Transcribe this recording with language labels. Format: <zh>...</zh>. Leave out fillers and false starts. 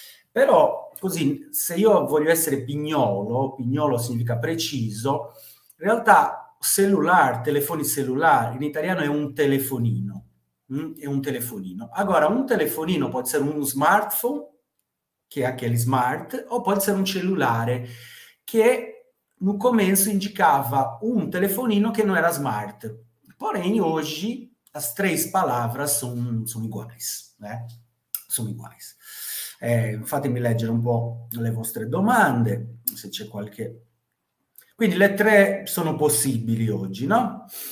<it>Però così, se io voglio essere pignolo, pignolo significa preciso, in realtà cellulare, telefoni cellulari, in italiano è un telefonino, è un telefonino. Allora, un telefonino può essere uno smartphone, che è anche smart, o può essere un cellulare, che è</it> <pt>no começo indicava um telefonino que não era smart. Porém, hoje, as três palavras são iguais, né? São iguais.</pt> <it>Fatemi leggere</it> <pt>um pouco</pt> <it>le vostre domande, se c'è qualche... Quindi, le tre sono possibili oggi, no?</it>